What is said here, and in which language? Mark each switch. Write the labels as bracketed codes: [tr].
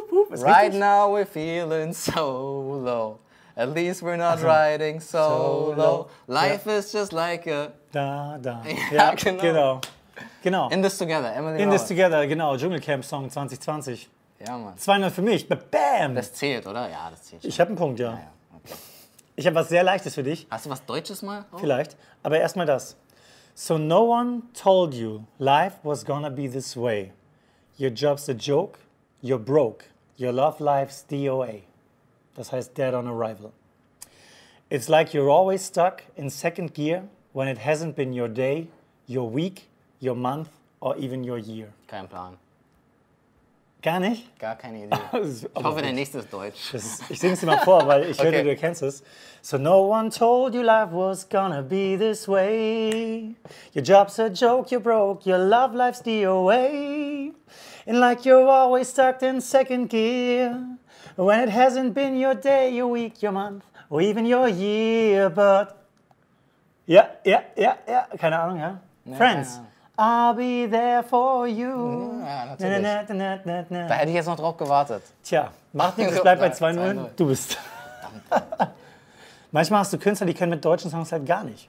[en] Right now we're feeling so low. At least we're not riding solo. Life is just like a... [de] Da. Ja, genau. Genau. In This Together, Emily Roberts. In This Together, genau. Dschungelcamp-Song 2020. Ja, Mann. 2-0 für mich. Bam! Das zählt, oder? Ja, das zählt schon. Ich habe einen Punkt, ja. Okay. Ich habe was sehr Leichtes für dich. Hast du was Deutsches mal? Vielleicht. Aber erstmal das. [en] So no one told you life was gonna be this way. Your job's a joke, you're broke. Your love life's DOA. [de] Das heißt [en] dead on arrival. It's like you're always stuck in second gear when it hasn't been your day, your week, your month or even your year. [de] Kein Plan. Gar nicht? Gar keine Idee. Ich hoffe, der nächste ist Deutsch. Ich sing's dir mal vor, weil ich höre, du kennst es. [en] So no one told you life was gonna be this way. Your job's a joke, you're broke, your love life's DOA. And like you're always stuck in second gear. When it hasn't been your day, your week, your month, or even your year, but... [de] Ja, ja, ja, ja, keine Ahnung, ja. [en] Friends. I'll be there for you. [de] Ja, natürlich. Na, na, na, na, na, na. Da hätte ich jetzt noch drauf gewartet. Tja, mach nichts, ich bleib bei 2-0. Du bist. Manchmal hast du Künstler, die können mit deutschen Songs halt gar nicht.